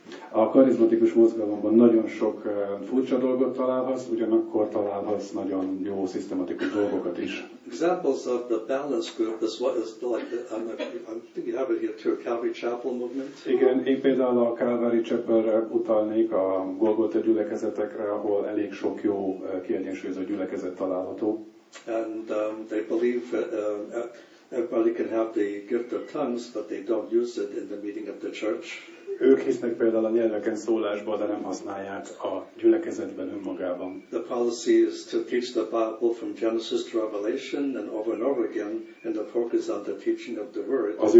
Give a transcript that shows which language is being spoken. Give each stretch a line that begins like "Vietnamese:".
Hungarian: A karizmatikus mozgalomban nagyon sok furcsa dolgot találhatsz, ugyanakkor találhatsz nagyon jó szisztematikus dolgokat is.
English: Examples of the balance group is what is like the, I think you have it here too, Calvary Chapel movement.
Hungarian: Igen, én például a Calvary Chapelre utalnék, a Golgotha gyülekezetekre, ahol elég sok jó kiegyensúlyozott gyülekezet található.
English: And they believe everybody can have the gift of tongues, but they don't use it in the meeting of the church.
Hungarian: Ők hisznek például a nyelveken szólásban, de nem használják a gyülekezetben önmagában.
English: The policy is to teach the Bible from Genesis to Revelation and over again, and the focus on the teaching of the word.